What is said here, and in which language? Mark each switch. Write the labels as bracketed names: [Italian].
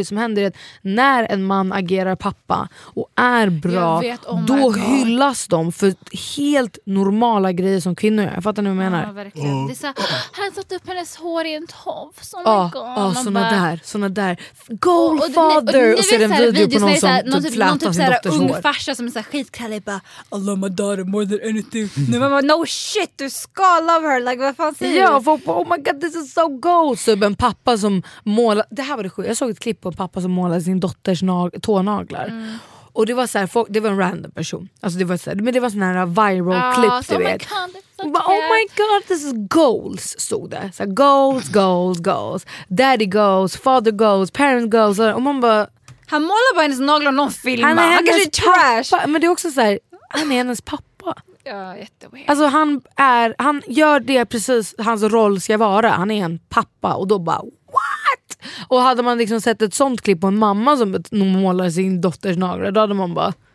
[Swedish] Och det som händer är att när en man agerar pappa och är bra, då hyllas de för helt normala grejer som kvinnor gör. Fattar ni vad jag menar? Ja, verkligen. Det är så här, han satt upp hennes hår i en tov. Ja, såna bara, där. Såna där. [English] Goal father. [Swedish] Och ser en video på någon som typ flätar sin dotters hår. Någon typ ung farsa som är så här skitkallig. [English] Bara, I love my daughter more than anything. [Swedish] Nu man bara, [English] no shit, [Swedish] du ska [English] love her. Like, [Swedish] vad fan säger du? Ja, folk bara, [English] oh my god, this is so goal. [Swedish] Så en pappa som målar, det här var det sjukt. Jag såg ett klipp på en pappa som målade sin dotters tånaglar. Mm. Och det var så här, folk, det var en random person. Alltså det var så här, men det var sån här viral klipp, du vet. Oh [English] my god, this is goals, [Swedish] stod det. Så här, [English] goals, goals, goals. Daddy goals, father goals, parent goals. [Swedish] Och man bara, han målar bara hennes naglar och någon filmar. Han kanske är trash. Pappa, men det är också så här, han är hennes pappa. Ja, jätteweird. Alltså han gör det precis hans roll ska vara. Han är en pappa och då bara, what? Och hade man liksom sett ett sånt klipp på en mamma som målar sin dotters naglar, då hade man bara,